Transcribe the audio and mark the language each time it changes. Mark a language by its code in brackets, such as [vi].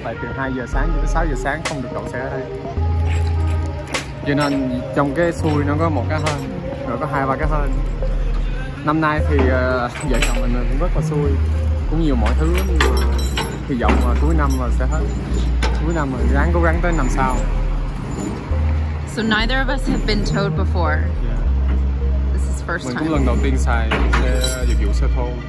[vi] Tại từ 2 giờ sáng đến 6 giờ sáng không được đậu xe ở đây. Cho nên trong cái xui nó có một cái hơn, rồi có 2-3 cái hơn. Năm nay thì vợ chồng mình cũng rất là xui, cũng nhiều mọi thứ nhưng mà hy vọng là cuối năm là sẽ hết. Cuối năm mình ráng cố gắng tới năm sau. [en] So neither of us have been towed before. Yeah. This is first [vi] mình [en] time. [vi] Mình cũng lần đầu tiên xài xe dịch vụ xe thô.